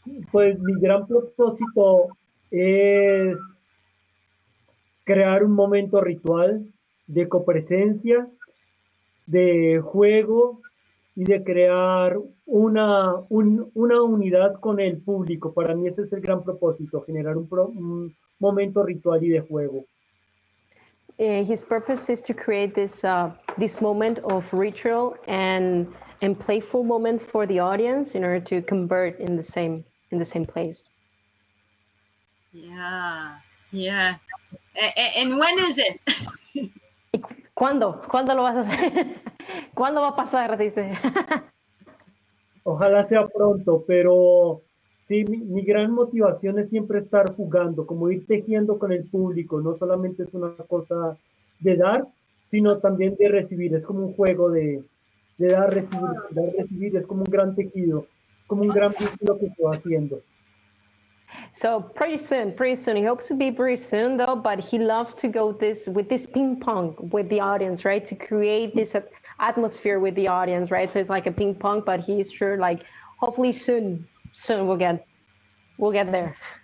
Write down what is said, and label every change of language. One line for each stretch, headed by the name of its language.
Spanish: Pues mi gran propósito es crear un momento ritual de copresencia, de juego y de crear una unidad con el público. Para mí ese es el gran propósito, generar un momento ritual y de juego.
English: His purpose is to create this this moment of ritual and playful moment for the audience in order to convert in the same place. Yeah, yeah. And when is it?
Spanish: ¿Cuándo lo vas a hacer? ¿Cuándo va a pasar? Dice. Ojalá sea pronto, pero sí, mi gran motivación es siempre estar jugando, como ir tejiendo con el público. No solamente es una cosa de dar, sino también de recibir. Es como un juego de dar, recibir, dar, recibir. Es como un gran tejido, como un gran vínculo que estoy haciendo.
English: So pretty soon, he hopes to be pretty soon though, but he loves to go this with this ping pong with the audience, right? To create this atmosphere with the audience, right? So it's like a ping pong, but he's sure like hopefully soon we'll get there.